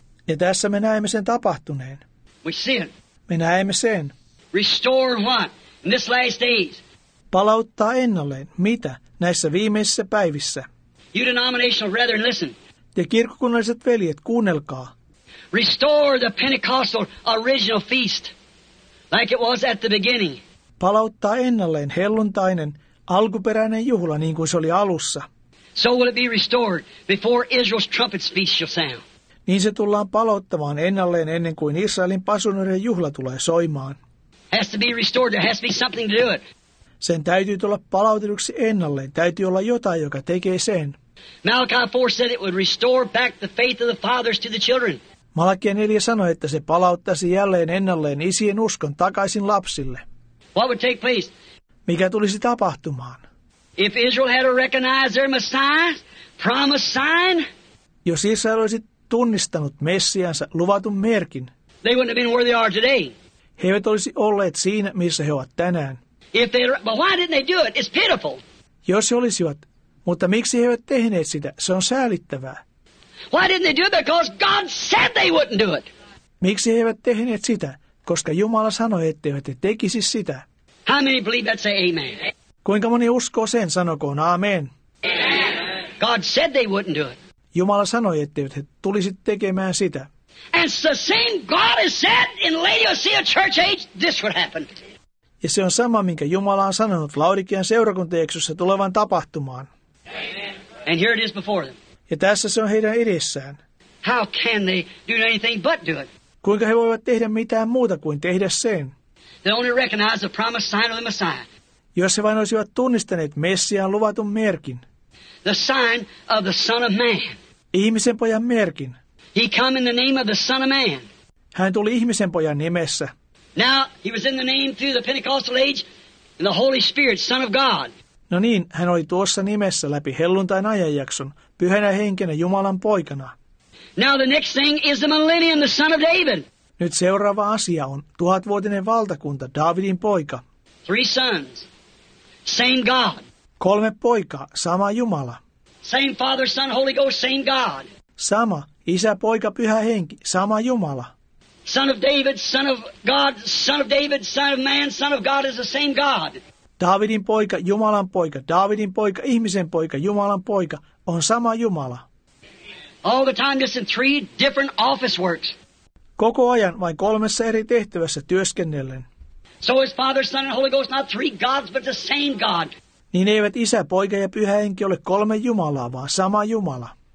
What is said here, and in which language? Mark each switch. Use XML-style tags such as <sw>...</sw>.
<fi>Ja tässä me näemme sen tapahtuneen.</fi> <en>We see it.</en> <fi>Me näemme sen.</fi> <en>Restore what? In this last days.</en> <fi>Palauttaa ennalleen. Mitä? Näissä viimeisissä päivissä.</fi> <en>You denominational brethren, listen.</en> <fi>Te kirkkokunnalliset veljet, kuunnelkaa.</fi> <en>Restore the Pentecostal original feast, like it was at the beginning.</en> <fi>Palauttaa ennalleen helluntainen, alkuperäinen juhla, niin kuin se oli alussa.</fi> <en>So will it be restored before Israel's trumpet feast shall sound.</en> <fi>Niin se tullaan palauttamaan ennalleen ennen kuin Israelin pasunnoiden juhla tulee soimaan.</fi> <en>Has to be restored. There has to be something to do it.</en> <fi>Sen täytyy tulla palautetuksi ennalleen. Täytyy olla jotain, joka tekee sen.</fi> <en>Malachi 4 said it would restore back the faith of the fathers to the children.</en> <fi>Malakia 4 sanoi, että se palauttaisi jälleen ennalleen isien uskon takaisin lapsille.</fi> <en>What would take place?</en> <fi>Mikä tulisi tapahtumaan?</fi> <en>If Israel had to recognize their Messiah, promised sign,</en> <fi>jos Israel olisi tunnistanut Messiansa, luvatun merkin,</fi> <en>they wouldn't have been where they are today.</en> <fi>He eivät olisi olleet siinä, missä he ovat tänään.</fi> <en>If they, but why didn't they do it? It's pitiful.</en> <fi>Jos he olisivat, mutta miksi he eivät tehneet sitä? Se on säälittävää.</fi> <en>Why didn't they do it? Because God said they wouldn't do it.</en> <fi>Miksi he eivät tehneet sitä? Koska Jumala sanoi, etteivät he tekisi sitä.</fi> <en>How many believe that? Say amen.</en> <fi>Kuinka moni uskoo sen, sanokoon aamen.</fi> <en>God said they wouldn't do it.</en> <fi>Jumala sanoi, että he tulisi tekemään sitä.</fi> <en>And the same God has said in Laodicea church age this would happen.</en> <fi>Ja se on sama, minkä Jumala on sanonut Laodikean seurakuntajaksossa tulevan tapahtumaan.</fi> <en>And here it is before them.</en> <fi>Ja tässä se on heidän edessään.</fi> <en>How can they do anything but do it?</en> <fi>Kuinka he voivat tehdä mitään muuta kuin tehdä sen?</fi> <en>They only recognize the promised sign of the Messiah.</en> <fi>Jos he vain olisivat tunnistaneet Messiaan luvatun merkin.</fi> <en>The sign of the Son of Man.</en> <fi>Ihmisen pojan merkin.</fi> <en>He came in the name of the Son of Man.</en> <fi>Hän tuli ihmisen pojan nimessä.</fi> <en>Now he was in the name through the Pentecostal age and the Holy Spirit, Son of God.</en> <fi>No niin, hän oli tuossa nimessä läpi helluntain ajanjakson, pyhänä henkenä Jumalan poikana.</fi> <en>Now the next thing is the millennium, the son of David.</en> <fi>Nyt seuraava asia on tuhatvuotinen valtakunta, Davidin poika.</fi> <en>Three sons, same God.</en> <fi>Kolme poikaa, sama Jumala.</fi> <en>Same Father, Son, Holy Ghost, same God.</en> <fi>Sama Isä, Poika, Pyhä Henki, sama Jumala.</fi> <en>Son of David, Son of God, Son of David, Son of Man, Son of God is the same God.</en> <fi>Davidin poika, Jumalan poika, Davidin poika, ihmisen poika, Jumalan poika on sama Jumala.</fi> <en>All the time just in three different office works.</en> <fi>Koko ajan vain kolmessa eri tehtävässä työskennellen.</fi> <en>So is Father, Son and Holy Ghost not three gods but the same God.</en> <fi>Niin eivät Isä, Poika ja Pyhä Henki ole kolme Jumalaa, vaan sama Jumala.</fi>